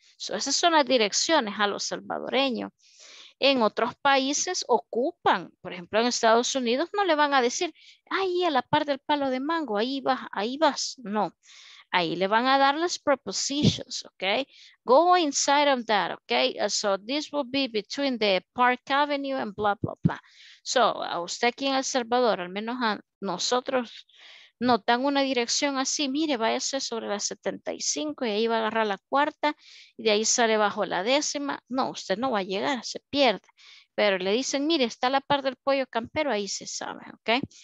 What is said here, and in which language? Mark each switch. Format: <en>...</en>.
<es>So, esas son las direcciones a los salvadoreños. En otros países ocupan, por ejemplo, en Estados Unidos no le van a decir, ahí a la par del palo de mango, ahí vas, no. Ahí le van a dar las prepositions, ¿ok?</es> <en>Go inside of that, ¿ok? So this will be between the Park Avenue and blah, blah, blah.</en> <es>So, a usted aquí en El Salvador, al menos a nosotros, nos dan una dirección así, mire, váyase sobre la 75 y ahí va a agarrar la cuarta y de ahí sale bajo la décima. No, usted no va a llegar, se pierde. Pero le dicen, mire, está la par del pollo campero, ahí se sabe, ¿ok?</es>